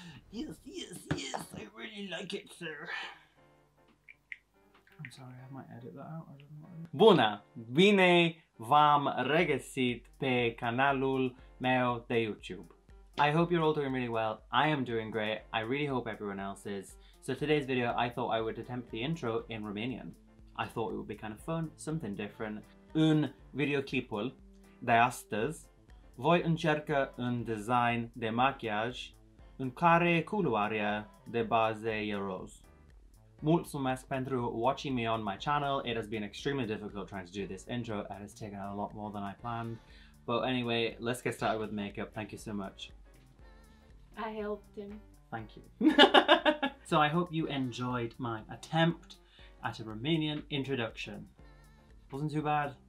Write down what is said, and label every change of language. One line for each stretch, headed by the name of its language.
English: Yes, yes, yes, I really like it, sir. I'm sorry, I might edit that out. I don't know.
Romanian: Buna, bine v-am regăsit pe canalul meu de YouTube.
English: I hope you're all doing really well. I am doing great. I really hope everyone else is. So today's video, I thought I would attempt the intro in Romanian. I thought it would be kind of fun, something different.
Romanian: Un videoclipul de astăzi. Voi încerca un design de machiaj în care culoarea de bază e roz. Mulțumesc pentru
English: watching me on my channel. It has been extremely difficult trying to do this intro. It has taken a lot more than I planned. But anyway, let's get started with makeup. Thank you so much. I helped him. Thank you. So I hope you enjoyed my attempt at a Romanian introduction. Wasn't too bad.